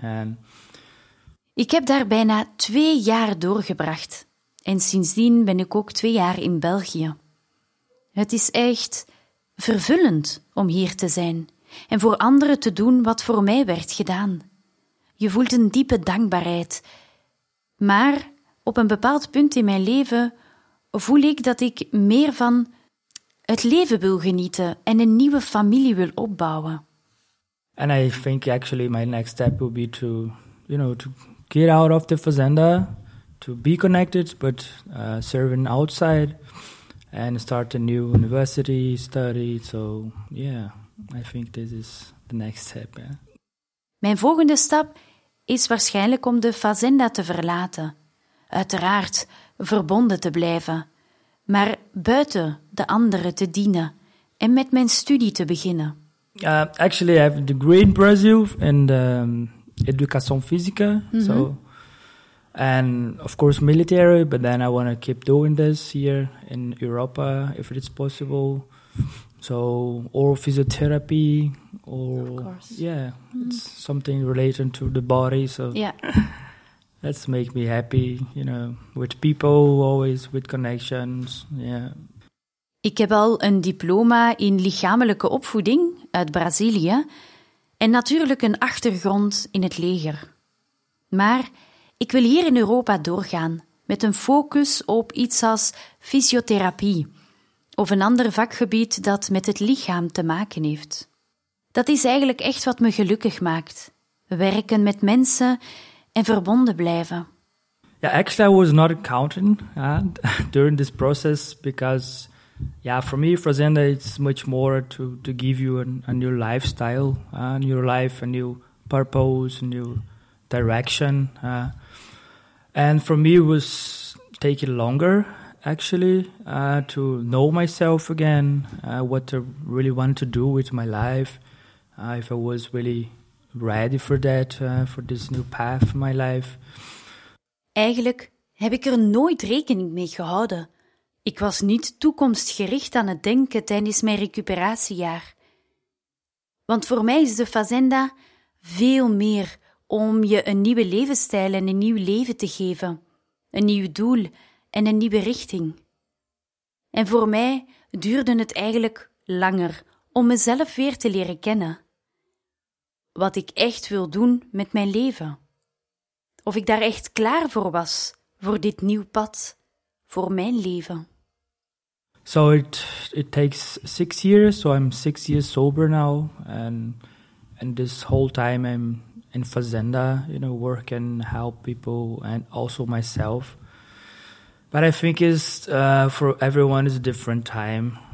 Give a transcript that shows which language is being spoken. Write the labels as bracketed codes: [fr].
[en] And [nl] ik heb daar bijna 2 jaar doorgebracht. En sindsdien ben ik ook 2 jaar in België. Het is echt vervullend om hier te zijn en voor anderen te doen wat voor mij werd gedaan. Je voelt een diepe dankbaarheid. Maar op een bepaald punt in mijn leven voel ik dat ik meer van het leven wil genieten en een nieuwe familie wil opbouwen. [en] And I think actually my next step will be to, you know, to get out of the fazenda, to be connected, but serving outside and start a new university study. So yeah, I think this is the next step. Yeah. [nl] Mijn volgende stap is waarschijnlijk om de fazenda te verlaten. Uiteraard verbonden te blijven, maar buiten de anderen te dienen en met mijn studie te beginnen. [en] Actually, I have a degree in Brazil in education physica, mm-hmm. so and of course military. But then I want to keep doing this here in Europa if it's possible. So or physiotherapy or yeah, mm-hmm. it's something related to the body. So yeah. That's make me happy, you know, with people always, with connections, yeah. [nl] Ik heb al een diploma in lichamelijke opvoeding uit Brazilië en natuurlijk een achtergrond in het leger. Maar ik wil hier in Europa doorgaan met een focus op iets als fysiotherapie of een ander vakgebied dat met het lichaam te maken heeft. Dat is eigenlijk echt wat me gelukkig maakt. Werken met mensen en verbonden blijven. [en] Yeah, actually, I was not counting during this process because, yeah, for me, Fazenda, it's much more to give you a new lifestyle, a new life, a new purpose, a new direction. And for me, it was taking longer, actually, to know myself again, what I really want to do with my life, if I was really ready for that, for this new path in my life. [nl] Eigenlijk heb ik er nooit rekening mee gehouden. Ik was niet toekomstgericht aan het denken tijdens mijn recuperatiejaar. Want voor mij is de Fazenda veel meer om je een nieuwe levensstijl en een nieuw leven te geven, een nieuw doel en een nieuwe richting. En voor mij duurde het eigenlijk langer, om mezelf weer te leren kennen. Wat ik echt wil doen met mijn leven. Of ik daar echt klaar voor was, voor dit nieuw pad, voor mijn leven. [en] So it takes 6 years, so I'm 6 years sober now. And this whole time I'm in Fazenda, you know, work and help people and also myself. But I think it's for everyone is a different time.